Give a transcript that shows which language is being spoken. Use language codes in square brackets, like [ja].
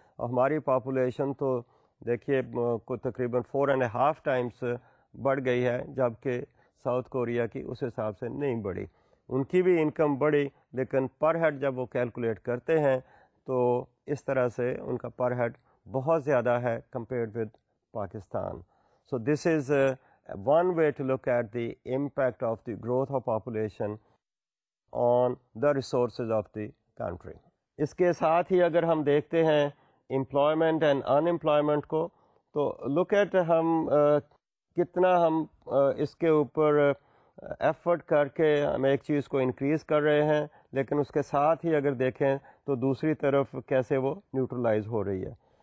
[ur] ہماری پاپولیشن تو دیکھیے کو تقریباً 4.5 ٹائمس بڑھ گئی ہے, جبکہ ساؤتھ کوریا کی اس حساب سے نہیں بڑھی. ان کی بھی انکم بڑھی لیکن پر ہیڈ جب وہ کیلکولیٹ کرتے ہیں تو اس طرح سے ان کا پر ہیڈ بہت زیادہ ہے [en] Compared with Pakistan. So this is one way to look at the impact of the growth of population on the resources of the country. [ur] اس کے ساتھ ہی اگر ہم دیکھتے ہیں امپلائمنٹ اینڈ ان امپلائمنٹ کو, تو لک ایٹ ہم کتنا ہم اس کے اوپر ایفرٹ کر کے ہم ایک چیز کو انکریز کر رہے ہیں, لیکن اس کے ساتھ ہی اگر دیکھیں تو دوسری طرف کیسے وہ نیوٹرلائز ہو رہی ہے.